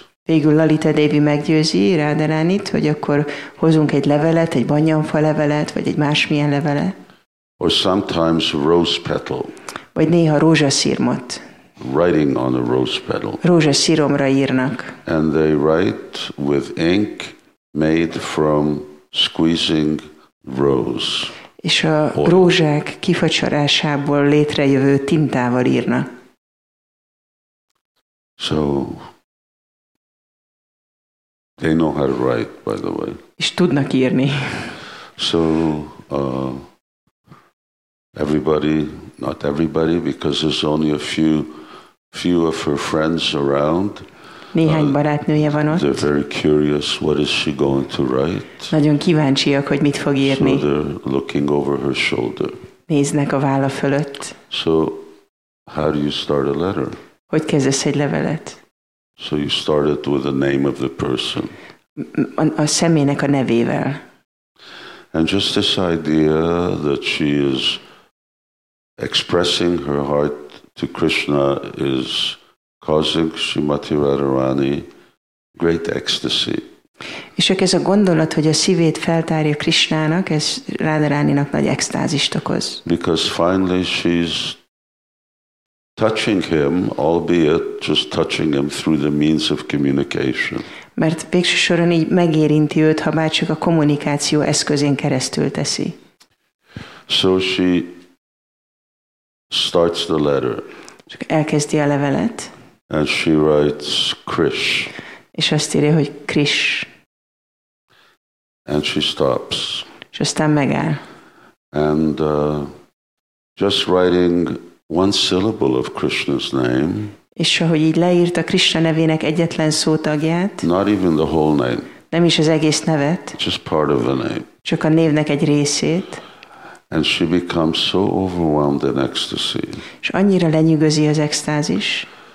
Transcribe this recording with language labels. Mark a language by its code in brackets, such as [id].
[hu] Végül Lalita Devi meggyőzi Rádaránit, hogy akkor hozunk egy levelet, egy banyanfa levelet, vagy egy másmilyen levele. [en] Or sometimes rose petal. [hu] Vagy néha rózsaszirmot. [en] Writing on a rose petal. [hu] Rózsaszíromra írnak. [en] And they write with ink made from squeezing rose. [hu] És a rózsák kifacsarásából létrejövő tintával írnak. [en] So, they know how to write, by the way. [hu] És tudnak írni. [en] So, everybody, not everybody, because there's only a few of her friends around. [hu] Néhány barátnője van ott. [en] They're very curious, what is she going to write? [hu] Nagyon kíváncsiak, hogy mit fog írni. [en] So they're looking over her shoulder. [hu] Néznek a válla fölött. [en] So, how do you start a letter? [hu] Hogy kezdesz egy levelet? [en] So you started with the name of the person. [hu] A személynek a nevével. [en] And just this idea that she is expressing her heart to Krishna is causing Srimati Radharani great ecstasy. [hu] És ez a gondolat, hogy a szívét feltárja Krishnának, ez Radharaninak nagy extázist okoz. [en] Because finally she's touching him, albeit just touching him through the means of communication. [hu] Mert végső soron így megérinti őt, ha már csak a kommunikáció eszközén keresztül teszi. [en] So she starts the letter. [hu] Csak elkezdi a levelet. [en] And she writes Krish. [hu] És azt írja, hogy Krish. [en] And she stops. [hu] És aztán megáll. [en] And just writing one syllable of Krishna's name. [hu] És ahogy így leírta Krishna nevének egyetlen szótagját. [en] Not even the whole name. [hu] Nem is az egész nevet. [en] Just part of the name. [hu] Csak a névnek egy részét. [en] And she becomes so overwhelmed in ecstasy. [hu] És annyira lenyűgözi az extázis.